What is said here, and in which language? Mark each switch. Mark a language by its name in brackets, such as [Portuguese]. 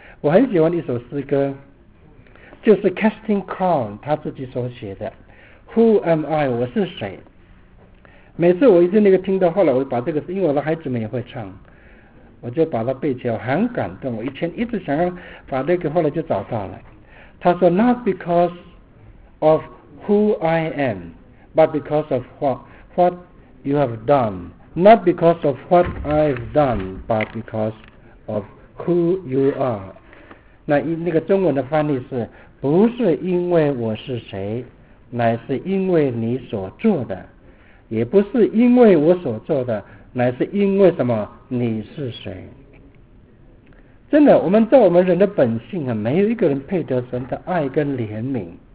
[Chinese] 我很喜欢一首诗歌，就是 Casting Crown 他自己所写的 ， [English] Who am I？ [Chinese] 我是谁？每次我一直那个听到后来，我把这个，因为我的孩子们也会唱。我就把它背起来，很感动。我以前一直想要把那个，后来就找到了。 [English] 他说 ：“Not because of who I am, but because of what you have done. Not because of what I've done, but because of who you are.” [Chinese] 那个中文的翻译是：不是因为我是谁，乃是因为你所做的；也不是因为我所做的，乃是因为什么？你是谁？真的，我们在我们人的本性啊，没有一个人配得神的爱跟怜悯。